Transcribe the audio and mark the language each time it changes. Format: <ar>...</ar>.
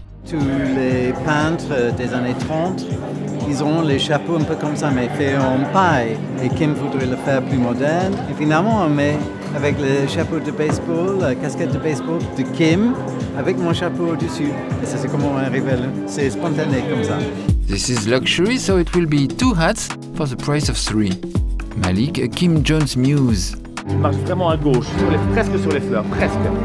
<fr>Tous les peintres des années 30, ils ont les chapeaux un peu comme ça, mais fait en paille. Et Kim voudrait le faire plus moderne. Et finalement, on met avec le chapeau de baseball, la casquette de baseball de Kim, avec mon chapeau au-dessus. Et ça, c'est comment on arrive à le... C'est spontané comme ça.</fr> <en>This is luxury, so it will be two hats for the price of three. Malik, a Kim Jones muse.</en> <fr>Tu marches vraiment à gauche, presque sur les fleurs, presque.</fr>